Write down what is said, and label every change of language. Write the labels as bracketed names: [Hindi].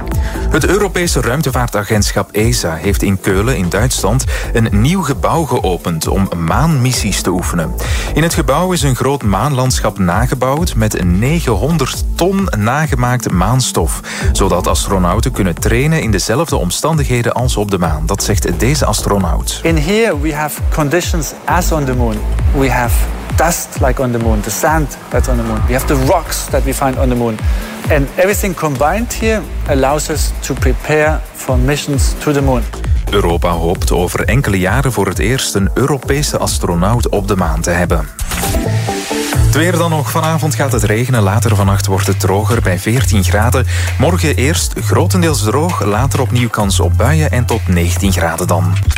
[Dutch] Het Europese ruimtevaartagentschap ESA heeft in Keulen in Duitsland een nieuw gebouw geopend om maanmissies te oefenen. In het gebouw is een groot maanlandschap nagebouwd met 900 ton nagemaakt maanstof, zodat astronauten kunnen trainen in dezelfde omstandigheden als op de maan. Dat zegt deze astronaut. [English] In here we have conditions as on the moon. We have dust like on the moon, the sand that's on the moon. We have the rocks that we find on the moon. And everything combined here allows us to prepare for missions to the moon. [Dutch] Europa hoopt over enkele jaren voor het eerst een Europese astronaut op de maan te hebben. Het weer dan nog. Vanavond gaat het regenen. Later vannacht wordt het droger bij 14 graden. Morgen eerst grotendeels droog. Later opnieuw kans op buien en tot 19 graden dan.